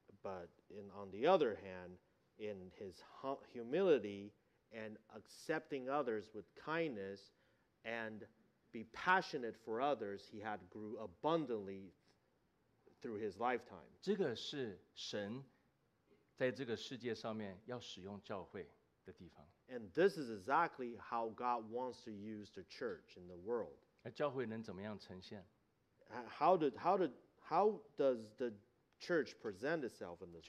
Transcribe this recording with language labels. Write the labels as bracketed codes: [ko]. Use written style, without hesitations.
[en] But in, on the other hand, in his humility and accepting others with kindness and be passionate for others, he had grew abundantly through his lifetime. [zh] 这个是神在这个世界上面要使用教会的地方。 [en] And this is exactly how God wants to use the church in the world. [zh] 而教会能怎么样呈现? [en] How does the church present itself in this